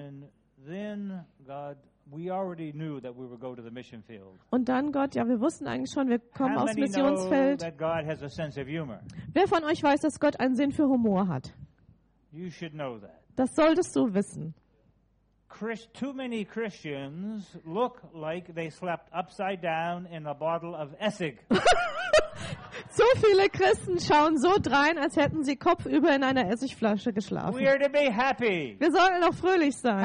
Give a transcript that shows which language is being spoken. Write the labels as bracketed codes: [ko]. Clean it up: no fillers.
[en] And then God, we already knew that we would go to the mission field. [de] Und dann Gott, ja, wir wussten eigentlich schon, wir kommen aufs Missionsfeld. [en] That God has a sense of humor. [de] Wer von euch weiß, dass Gott einen Sinn für Humor hat? [en] You should know that. [de] Das solltest du wissen. [en] Too many Christians look like they slept upside down in a bottle of Essig. [de] So viele Christen schauen so drein, als hätten sie kopfüber in einer Essigflasche geschlafen. [en] We are to be happy. [de] Wir sollten doch fröhlich sein.